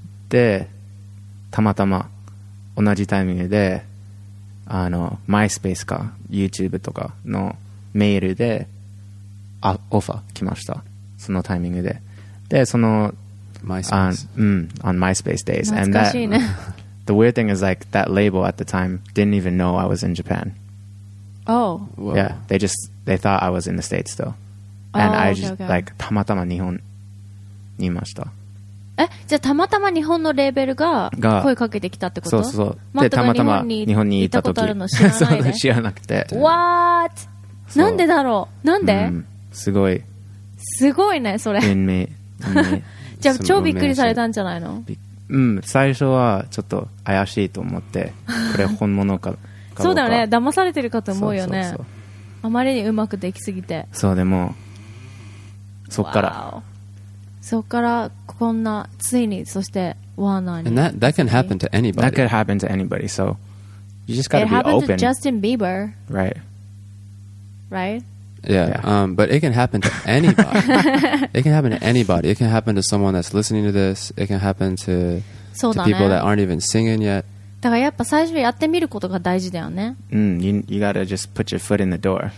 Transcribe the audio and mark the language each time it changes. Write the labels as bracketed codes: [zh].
[ja] で、たまたま同じタイミングで、あの、MySpace か YouTube とかのメールでオファー来ました。そのタイミングで。で、その、 MySpace。 [en] on MySpace days. [ja] 懐かしいね。 [en] And the weird thing is like that label at the time didn't even know I was in Japan. Oh. Whoa. Yeah, they thought I was in the States still. And oh, I just, okay. [ja] like, たまたま日本にいました。え、じゃあたまたま日本のレーベルが声かけてきたってこと？そうそう。で、たまたま日本に行ったことあるの知らないで。知らなくて。 [en] What? [ja] なんでだろう？なんで？すごい。すごいね、それ。運命。じゃあ超びっくりされたんじゃないの？最初はちょっと怪しいと思って、これ本物か。そうだよね、騙されてるかと思うよね。あまりにうまくできすぎて。そう、でも、そっから。そっから、こんな、ついに、そして、ワーナーに。 [en] And that can happen to anybody. That could happen to anybody, so, you just gotta be open. It happened to Justin Bieber. Right. Right? Yeah, yeah. But it can happen to anybody. It can happen to anybody. It can happen to someone that's listening to this. It can happen to people that aren't even singing yet. [ja] だからやっぱ最初やってみることが大事だよね。 [en] You gotta just put your foot in the door.